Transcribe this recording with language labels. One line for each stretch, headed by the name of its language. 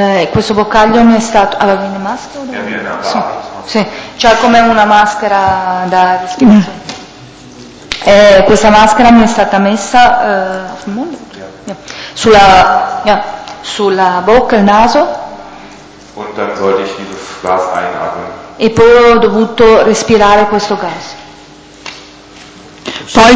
Italian: Questo boccaglio mi è stato. Avevi una maschera? Sì. Cioè come una maschera da respirazione. Questa maschera mi è stata messa sulla bocca, il naso.
German: Und dann sollte ich dieses Gas einatmen.
Italian: E poi ho dovuto respirare questo gas.